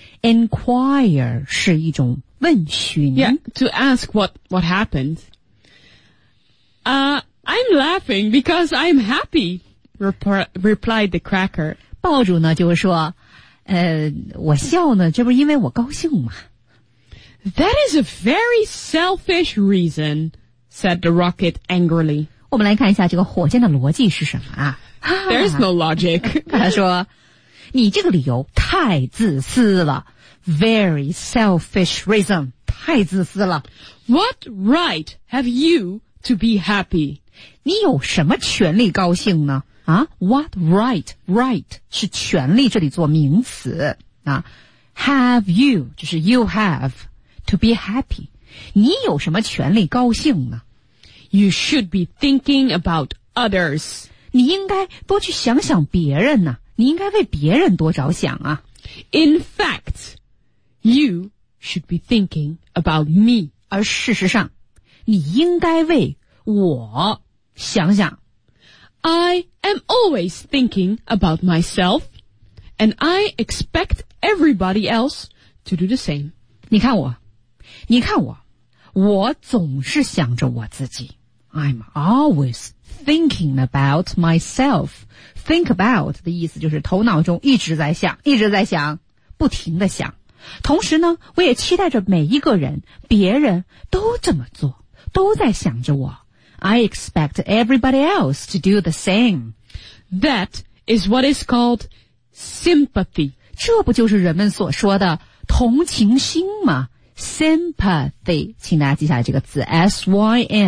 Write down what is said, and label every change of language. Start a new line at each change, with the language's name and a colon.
Chinese: Inquire 是一种问询
English: Yeah, to ask what happened. I'm laughing because I'm happy, replied the cracker.
Chinese: 爆竹呢就说我笑呢这不是因为我高兴吗
English: That is a very selfish reason, said the rocket angrily.
Chinese: 我们来看一下这个火箭的逻辑是什么啊
English: There's no logic.
Chinese: 他说你这个理由太自私了
English: Very selfish reason,
Chinese: 太自私了
English: What right have you to be happy?
Chinese: 你有什么权利高兴呢啊 ,
English: what right, right,
Chinese: 是权利这里做名词啊 ,
English: have you,
Chinese: 就是 you have,
English: to be happy,
Chinese: 你有什么权利高兴呢
English: ?You should be thinking about others.
Chinese: 你应该多去想想别人呢、啊、你应该为别人多着想啊。
English: In fact, you should be thinking about me.
Chinese: 而事实上你应该为我想想。
English: I am always thinking about myself, and I expect everybody else to do the same.
Chinese: 你看我，你看我，我总是想着我自己。
English: I'm always thinking about myself.
Chinese: Think about 的意思就是头脑中一直在想，一直在想，不停地想。同时呢，我也期待着每一个人，别人都这么做，都在想着我。
English: I expect everybody else to do the same. That is what is called sympathy.
Chinese: 这不就是人们所说的同情心吗? Sympathy. 请大家记下这个字 S-Y-M-P-A-T-H-Y.